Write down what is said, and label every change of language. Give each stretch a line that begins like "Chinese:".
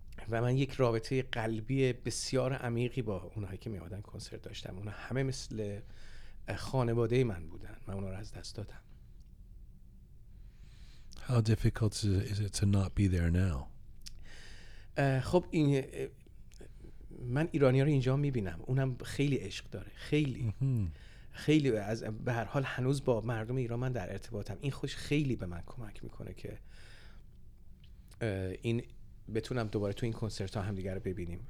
Persian: و من یک رابطه قلبی بسیار عمیقی با اونهایی که می آمدن کنسرت داشتم. اونها همه مثل خانواده من بودن. من اونها رو از دست دادم.
English: How difficult is it to not be there now?
Persian: خب این من ایرانی‌ها رو اینجا می‌بینم. اونم خیلی عشق داره. خیلی. خیلی از به هر حال هنوز با مردم ایران من در ارتباطم. این خوش خیلی به من کمک می‌کنه که این بتونم دوباره تو این کنسرت‌ها هم دیگه رو ببینیم.